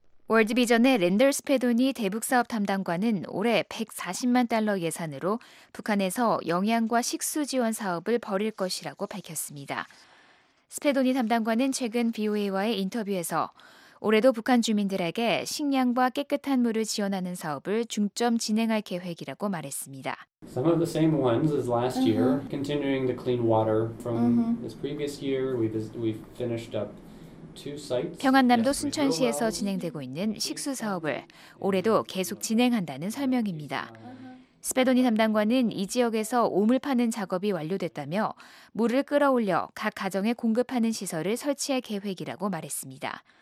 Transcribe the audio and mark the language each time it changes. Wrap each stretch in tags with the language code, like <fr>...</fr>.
<ko>월드비전의 랜더스 페돈이 대북사업 담당관은 올해 140만 달러 예산으로 북한에서 영양과 식수 지원 사업을 벌일 것이라고 밝혔습니다. 스페돈이 담당관은 최근 VOA와의 인터뷰에서 올해도 북한 주민들에게 식량과 깨끗한 물을 지원하는 사업을 중점 진행할 계획이라고 말했습니다.</ko> <en>Some of the same ones as last year, continuing the clean water from this previous year. We finished up two sites.</en> <ko>평안남도 순천시에서 진행되고 있는 식수 사업을 올해도 계속 진행한다는 설명입니다. 스페돈이 담당관은 이 지역에서 오물 파는 작업이 완료됐다며 물을 끌어올려 각 가정에 공급하는 시설을 설치할 계획이라고 말했습니다.</ko>